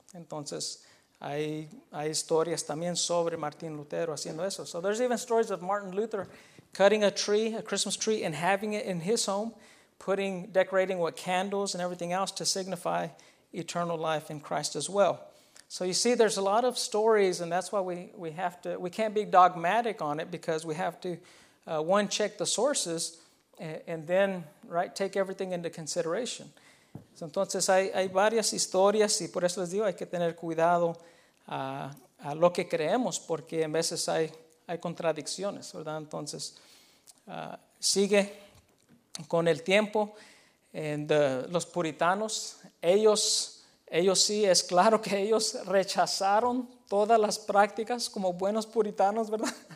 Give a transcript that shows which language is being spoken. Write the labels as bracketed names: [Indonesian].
[Spanish] Entonces hay historias también sobre Martín Lutero haciendo eso. [English] So there's even stories of Martin Luther cutting a tree, a Christmas tree, and having it in his home, decorating with candles and everything else to signify eternal life in Christ as well. So you see, there's a lot of stories, and that's why we can't be dogmatic on it, because we have to one, check the sources, and then, right, take everything into consideration. [Spanish] Entonces, hay varias historias, y por eso les digo, hay que tener cuidado a lo que creemos, porque en veces hay contradicciones, ¿verdad? Entonces, sigue con el tiempo, los puritanos, ellos sí, es claro que ellos rechazaron todas las prácticas como buenos puritanos, ¿verdad?